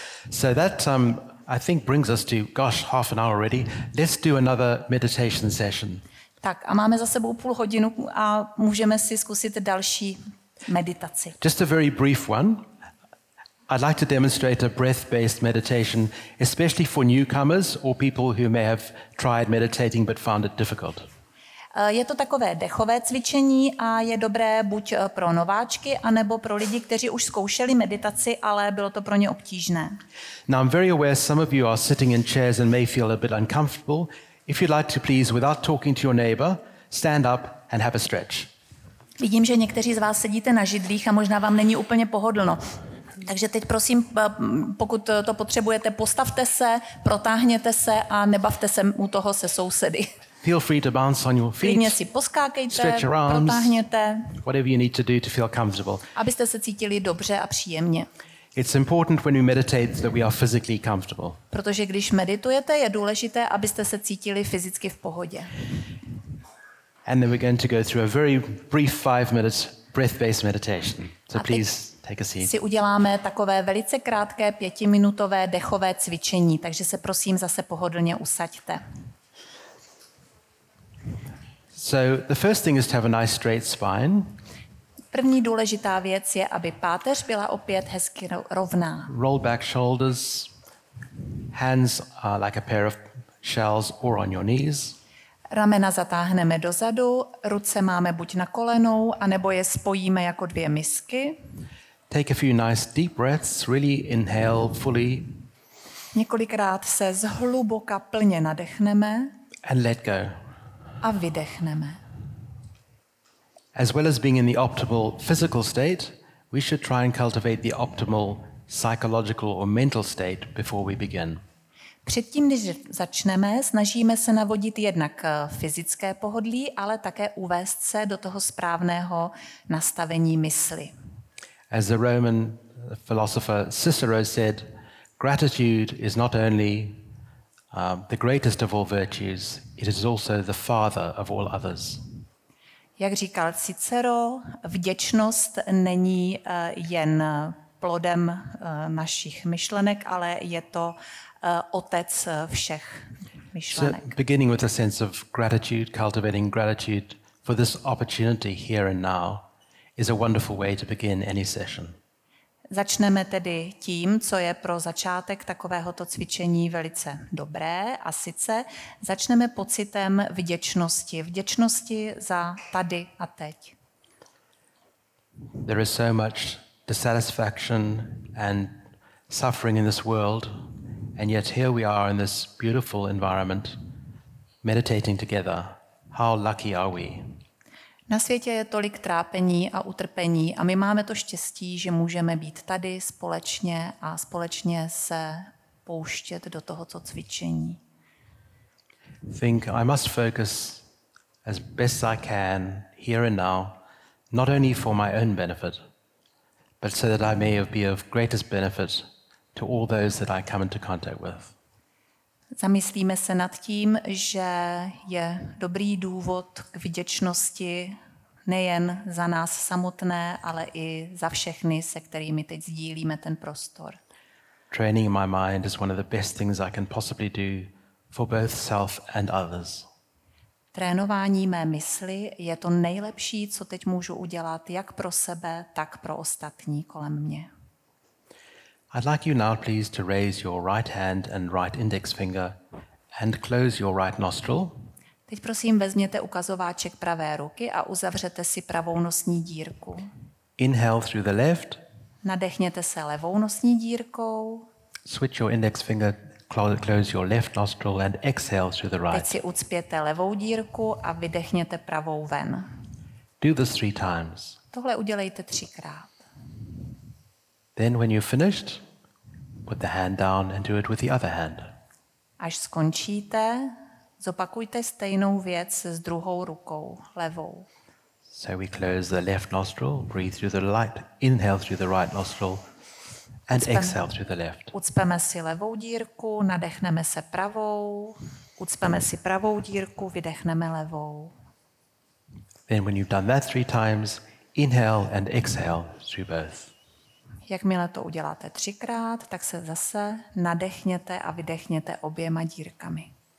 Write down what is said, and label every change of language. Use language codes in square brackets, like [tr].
[en] So that I think brings us to, gosh, half an hour already. Let's do another meditation session. [cs] Tak a máme za sebou půl hodinu a můžeme si zkusit další meditaci. [en] Just a very brief one. I'd like to demonstrate a breath-based meditation, especially for newcomers or people who may have tried meditating but found it difficult. [cs] Je to takové dechové cvičení a je dobré buď pro nováčky, anebo pro lidi, kteří už zkoušeli meditaci, ale bylo to pro ně obtížné. [en] Now I'm very aware some of you are sitting in chairs and may feel a bit uncomfortable. If you'd like to please, without talking to your neighbor, stand up and have a stretch. [cs] Vidím, že někteří z vás sedíte na židlích a možná vám není úplně pohodlno. Takže teď prosím, pokud to potřebujete, postavte se, protáhněte se a nebavte se u toho se sousedy. [en] Feel free to bounce on your feet. [cs] Klidně si poskákejte, [en] stretch your arms, [cs] protáhněte. [en] Whatever you need to do to feel comfortable. [cs] Abyste se cítili dobře a příjemně. [en] It's important when we meditate that we are physically comfortable. [cs] Protože když meditujete, je důležité, abyste se cítili fyzicky v pohodě. [en] And then we're going to go through a very brief 5 minutes breath-based meditation. So please take a seat. [cs] Si uděláme takové velice krátké 5-minutové dechové cvičení, takže se prosím zase pohodlně usaďte. [en] So the first thing is to have a nice straight spine. [cs] První důležitá věc je, aby páteř byla opět hezky rovná. [en] Roll back shoulders. Hands are like a pair of shells or on your knees. [cs] Ramena zatáhneme dozadu, ruce máme buď na kolenou, anebo je spojíme jako dvě misky. [en] Take a few nice deep breaths, really inhale fully. [cs] Několikrát se zhluboka plně nadechneme. [en] And let go. [cs] A vydechneme. [en] As well as being in the optimal physical state, we should try and cultivate the optimal psychological or mental state before we begin. [cs] Předtím, než začneme, snažíme se navodit jednak fyzické pohodlí, ale také uvést se do toho správného nastavení mysli. [en] As the Roman philosopher Cicero said, gratitude is not only the greatest of all virtues, it is also the father of all others. [cs] Jak říkal Cicero, vděčnost není jen plodem našich myšlenek, ale je to otec všech myšlenek. [en] So beginning with a sense of gratitude, cultivating gratitude for this opportunity here and now is a wonderful way to begin any session. [cs] Začneme tedy tím, co je pro začátek takovéhoto cvičení velice dobré, a sice začneme pocitem vděčnosti. Vděčnosti za tady a teď. [en] There is so much dissatisfaction and suffering in this world, and yet here we are in this beautiful environment, meditating together. How lucky are we? [cs] Na světě je tolik trápení a utrpení a my máme to štěstí, že můžeme být tady společně a společně se pouštět do tohoto cvičení. [en] Think I must focus as best I can here and now, not only for my own benefit, but so that I may be of greatest benefit to all those that I come into contact with. [cs] Zamyslíme se nad tím, že je dobrý důvod k vděčnosti nejen za nás samotné, ale i za všechny, se kterými teď sdílíme ten prostor. [en] Training my mind is one of the best things I can possibly do for both self and others. [cs] Trénování mé mysli je to nejlepší, co teď můžu udělat jak pro sebe, tak pro ostatní kolem mě. [en] I'd like you now please to raise your right hand and right index finger and close your right nostril. [cs] Teď prosím vezměte ukazováček pravé ruky a uzavřete si pravou nosní dírku. [en] Inhale through the left. [cs] Nadechněte se levou nosní dírkou. [en] Switch your index finger, close your left nostril and exhale through the right. [cs] Teď si ucpěte levou dírku a vydechněte pravou ven. [en] Do this 3 times. [cs] Tohle udělejte 3x. [en] Then when you're finished, put the hand down and do it with the other hand. [cs] Až skončíte, zopakujte stejnou věc s druhou rukou, levou. [en] So we close the left nostril, breathe through the right, inhale through the right nostril and exhale through the left. [cs] Ucpeme si levou dírku, nadechneme se pravou, ucpeme si pravou dírku, vydechneme levou. [en] Then when you've done that 3 times, inhale and exhale through both. [cs] Jakmile to uděláte 3x, tak se zase nadechněte a vydechněte oběma dírkami.